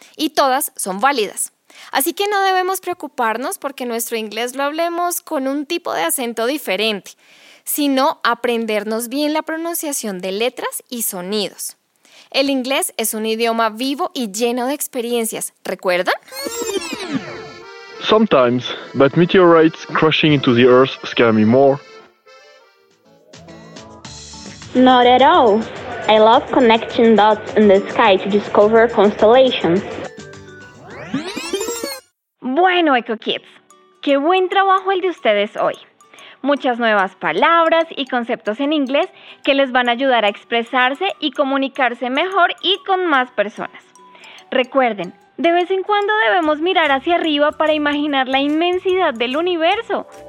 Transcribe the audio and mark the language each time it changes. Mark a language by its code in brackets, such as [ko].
[es] Y todas son válidas. Así que no debemos preocuparnos porque nuestro inglés lo hablemos con un tipo de acento diferente, sino aprendernos bien la pronunciación de letras y sonidos. El inglés es un idioma vivo y lleno de experiencias, ¿recuerdan? [en] Sometimes, but meteorites crashing into the earth scare me more. Not at all. I love connecting dots in the sky to discover constellations. [es] Bueno, Eco Kids, qué buen trabajo el de ustedes hoy. Muchas nuevas palabras y conceptos en inglés que les van a ayudar a expresarse y comunicarse mejor y con más personas. Recuerden, de vez en cuando debemos mirar hacia arriba para imaginar la inmensidad del universo.